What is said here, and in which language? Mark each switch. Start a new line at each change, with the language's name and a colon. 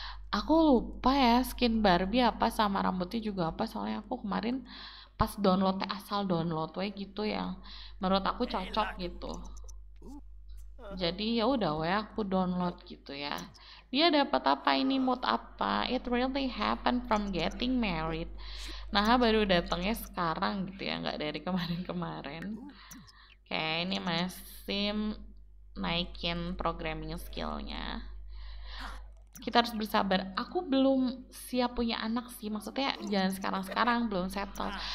Indonesian: Aku lupa ya skin Barbie apa sama rambutnya juga apa, soalnya aku kemarin pas download asal download we gitu yang menurut aku cocok gitu. Jadi ya udah we aku download gitu ya. Dia dapat apa ini, mood apa?
English: It really happened from getting married.
Indonesian: Nah, baru datangnya sekarang gitu ya, enggak dari kemarin-kemarin. Oke, ini masih naikin programming skillnya. Kita harus bersabar. Aku belum siap punya anak sih. Maksudnya jangan sekarang-sekarang, belum settle.